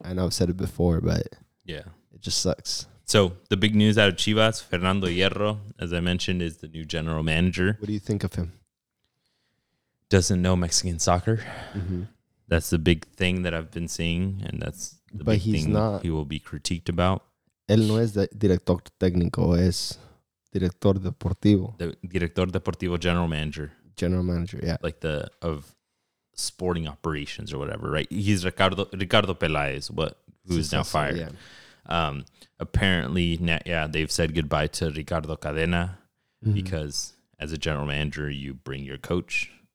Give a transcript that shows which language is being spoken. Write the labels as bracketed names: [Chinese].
[English] I know I've said it before, but yeah, it just sucks. So the big news out of Chivas, Fernando Hierro, as I mentioned, is the new general manager. What do you think of him? Doesn't know Mexican soccer. Mm-hmm. That's the big thing that I've been seeing. And that's the but big he's thing not, he will be critiqued about. [Spanish] Él no es director técnico, es director deportivo. [English] The director deportivo general manager. General manager, yeah. Like the of sporting operations or whatever, right? He's Ricardo Peláez, what who's now fired. Yeah. Apparently, yeah, they've said goodbye to Ricardo Cadena because as a general manager, you bring your coach.